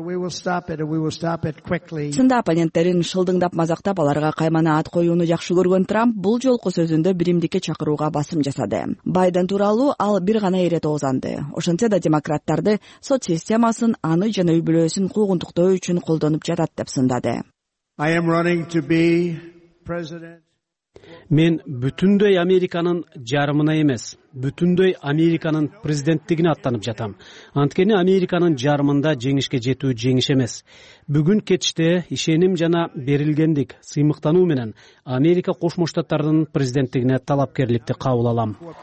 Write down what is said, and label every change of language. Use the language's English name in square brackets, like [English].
[Kyrgyz] Сында оппоненттерин шылдыңдап мазактап, аларга каймана ат коюуну жакшы көргөн Трамп бул жолку сөзүндө биримдикке чакырууга басым жасады. Байден тууралуу ал бир гана ирете озанды. Ошентсе да демократтарды сот системасын, аны жана үй бүлөсүн куугунтуктоо үчүн колдонуп жатат деп сындады. [English] I am running to be president. [Kyrgyz] Мен бүтүндөй Американын жарымына эмес, бүтүндөй Американын президенттигине аттанып жатам. Анткени Американын жарымында жеңишке жетүү жеңиш эмес. Бүгүн кечте ишеним жана берилгендик сыймыктануу менен Америка Кошмо Штаттардын президенттигине талапкерликти кабыл алам.